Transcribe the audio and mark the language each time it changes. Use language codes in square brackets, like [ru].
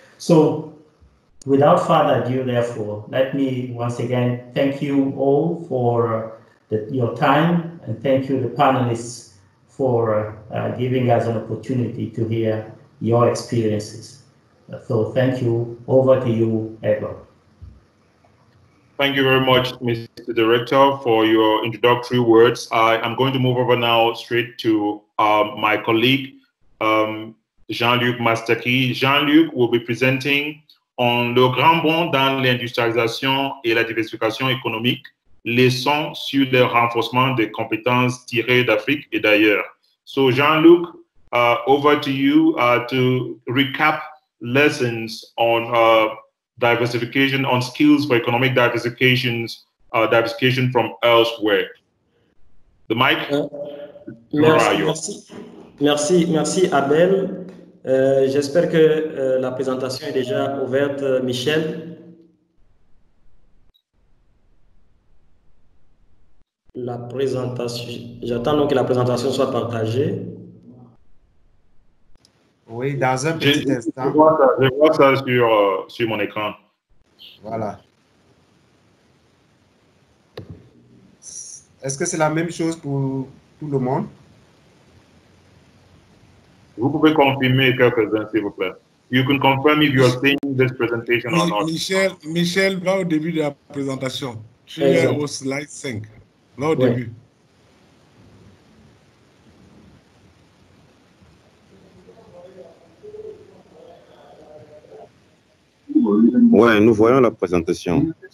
[en] So without further ado, therefore, let me once again thank you all for your time, and thank you the panelists for giving us an opportunity to hear your experiences. So thank you. Over to you, Abel. Thank you very much, Mr. Director, for your introductory words. I am going to move over now straight to my colleague, Jean-Luc Mastaki. Jean-Luc will be presenting on [fr] le grand bond dans l'industrialisation et la diversification économique, leçons sur le renforcement des compétences tirées d'Afrique et d'ailleurs. [en] So Jean-Luc, over to you to recap lessons on diversification, on skills for economic diversifications, diversification from elsewhere. The mic, [fr] Merci Abel. J'espère que la présentation est déjà ouverte, Michel. La présentation, j'attends donc que la présentation soit partagée. Oui, dans un petit instant. Je vois ça sur mon écran. Voilà. Est-ce que c'est la même chose pour tout le monde? Vous pouvez confirmer quelques-uns, s'il vous plaît. [en] You can confirm if you are seeing this presentation or not. [fr] Michel, va au début de la présentation. Tu es au slide 5. Là, au début. Ouais, nous voyons la présentation.